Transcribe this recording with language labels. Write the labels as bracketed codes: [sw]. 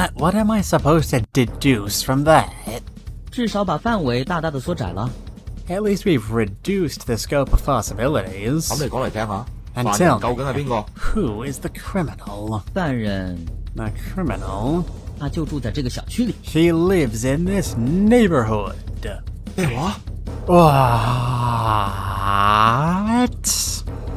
[en] What am I supposed to deduce from that? [zh] 至少把范围大大的缩窄了 [en] At least we've reduced the scope of possibilities [zh] 那你说来听犯人究竟是谁 [en] Who is the criminal? [zh] 犯人 [en] The criminal [zh] 他就住在这个小区里 [en] He lives in this neighborhood [zh] 我 [en] What?